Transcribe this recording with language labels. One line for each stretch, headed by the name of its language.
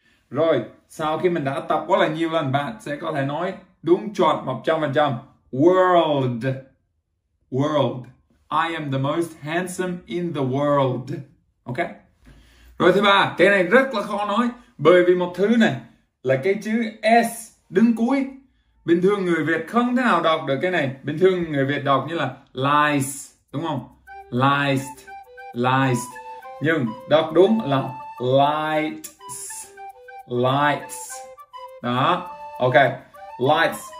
Vietnamese: Rồi, sau khi mình đã tập quá là nhiều lần, bạn sẽ có thể nói đúng chuẩn 100%.
English: World. World. I am the most handsome in the world. Ok.
Vietnamese: Rồi thứ ba, cái này rất là khó nói. Bởi vì một thứ này là cái chữ S đứng cuối. Bình thường người Việt không thể nào đọc được cái này. Bình thường người Việt đọc như là lies, đúng không?
English: Lies. Lies.
Vietnamese: Nhưng đọc đúng là
English: light. Lights.
Vietnamese: Đó.
English: Ok. Lights.